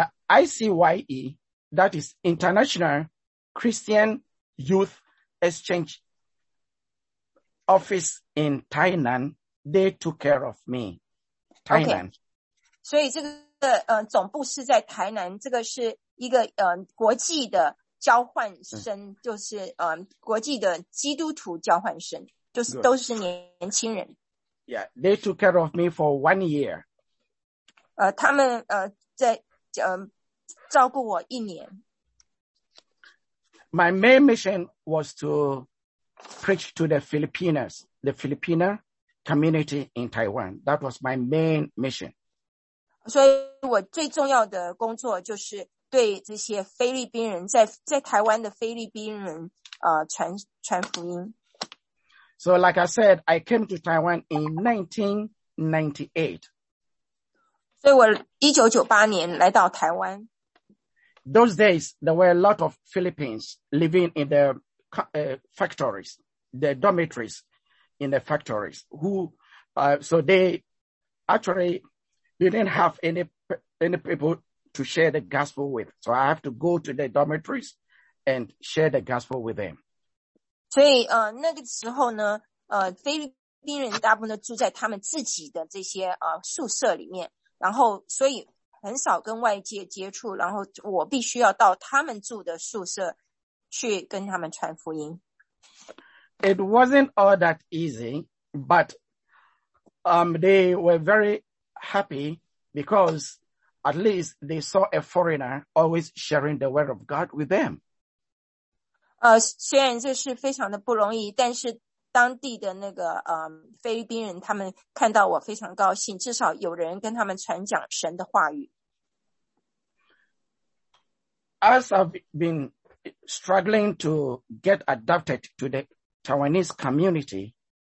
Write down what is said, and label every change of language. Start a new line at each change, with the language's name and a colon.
English: ICYE, that is International Christian Youth Exchange Office in Tainan, they took care of me. Tainan. Okay.
Chinese: 所以这个总部是在台南，这个是一个国际的交换生，就是国际的基督徒交换生，就是都是年轻人。
English: Yeah, they took care of me for 1 year.
Chinese: 他们在照顾我一年。
English: My main mission was to preach to the Filipinos, the Filipino community in Taiwan. That was my main mission.
Chinese: 所以我最重要的工作就是对这些菲律宾人在台湾的菲律宾人传福音。
English: So like I said, I came to Taiwan in 1998.
Chinese: 所以我1998年来到台湾。
English: Those days, there were a lot of Philippines living in the factories, the dormitories in the factories, who, so they actually,You didn't have any people to share the gospel with. So I have to go to the dormitories and share the gospel with them.
Chinese: 所以那个时候呢菲律宾人大部分都住在他们自己的这些宿舍里面。然后所以很少跟外界接触，然后我必须要到他们住的宿舍去跟他们传福音。
English: It wasn't all that easy, but, they were very,happy because at least they saw a foreigner always sharing the word of God with them.
Chinese: 虽然这是非常的不容易，但是当地的那个菲律宾人他们看到我非常高兴，至少有人跟他们传讲神的话语。
English: As I've been struggling to get adapted to the Taiwanese community,